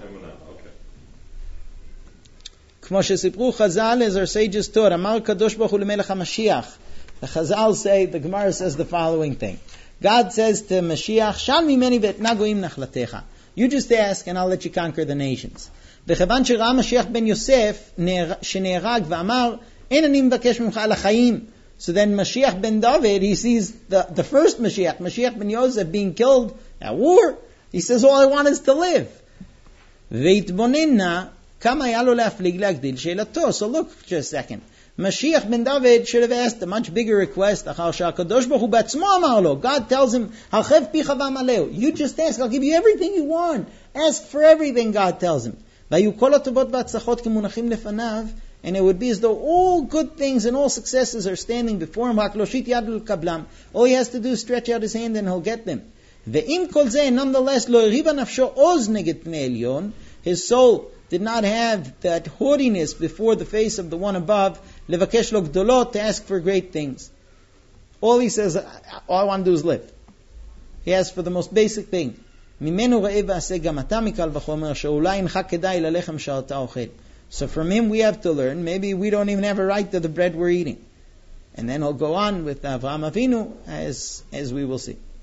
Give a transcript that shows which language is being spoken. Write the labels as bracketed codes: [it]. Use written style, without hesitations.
[en] Emunah, okay. [he] K'mo sesipru chazal, [en] as our sages taught, [he] Amar kadosh baruch hu lemelech ha-mashiach. [en] The chazal say, the Gemara says the following thing. God says to Mashiach, [he] shal mimeni ve'et nagoim nachlatecha. [en] You just ask and I'll let you conquer the nations. [he] וכיוון שראה משיח בן יוסף שנהרג ואמר אין אני מבקש ממך על החיים. [en] So then משיח בן דוד, he sees the first משיח, משיח בן יוסף being killed at war. He says, all I want is to live. [he] והתבוננה כמה היה לו להפליג להגדיל שאלתו. [en] So look just a second. משיח בן דוד should have asked a much bigger request [he] אחר שהקדוש ברוך הוא בעצמו אמר לו. [en] God tells him, [he] הרחב פיך ומלאו. [en] You just ask, I'll give you everything you want. Ask for everything, God tells him. [he] והיו כל הטובות והצלחות כמונחים לפניו, [en] and it would be as though all good things and all successes are standing before him, [he] הקלושית יד לקבלם. [en] All he has to do is stretch out his hand and he'll get them. [he] ועם כל זה, [en] nonetheless, [he] לא הריבה נפשו עוז נגד פני עליון, [en] his soul did not have that haughtiness before the face of the one above, [he] לבקש לו גדולות, [en] to ask for great things. All he says, all I want to do is live. He asks for the most basic thing. [he] ממנו ראה ועשה גם אתה מקל וחומר שאולי אינך כדאי ללחם שאתה אוכל. [en] So from him we have to learn, maybe we don't even have a right to the bread we're eating. And then I'll go on with Avraham Avinu as we will see.